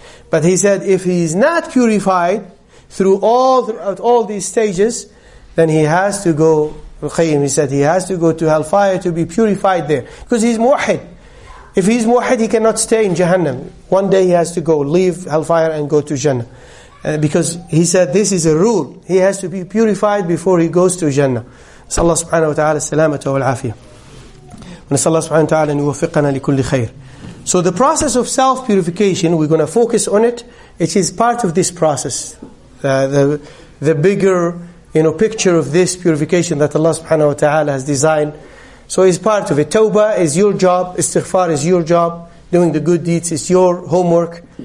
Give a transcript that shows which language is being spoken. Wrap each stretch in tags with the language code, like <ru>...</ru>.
<en>But he said, if he is not purified throughout all these stages, then he has to go, Al-Qayyim, he said, he has to go to hellfire to be purified there. Because he's muwahid. If he's muwahid, he cannot stay in Jahannam. One day he has to go, leave hellfire and go to Jannah. Because he said, this is a rule. He has to be purified before he goes to Jannah.</en> <ar>صلى الله سبحانه وتعالى السلامة والعافية. ونسأل الله سبحانه وتعالى أن يوفقنا لكل خير.</ar> <en>So the process of self-purification, we're going to focus on it. It is part of this process. The bigger picture of this purification that Allah subhanahu wa ta'ala has designed. So it's part of it. Tawbah is your job. Istighfar is your job. Doing the good deeds is your homework.</en>